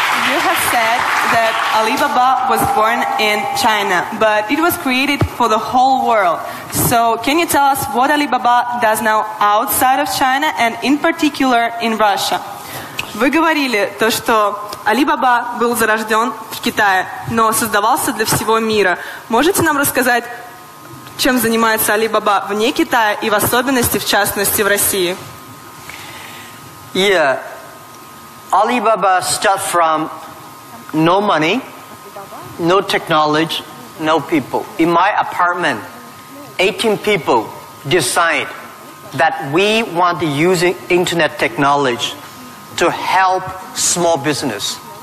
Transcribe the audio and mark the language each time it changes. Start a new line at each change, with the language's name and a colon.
English: You have said that Alibaba was born in China, but it was created for the whole world. So can you tell us what Alibaba does now outside of China and in particular in Russia?
Russian: Вы говорили то, что Alibaba был зарожден в Китае, но создавался для всего мира. Можете нам рассказать, чем занимается Alibaba вне Китая и в особенности, в частности, в России?
English: Yeah. Alibaba start from no money, no technology, no people. In my apartment, 18 people decide that we want to use internet technology to help small business.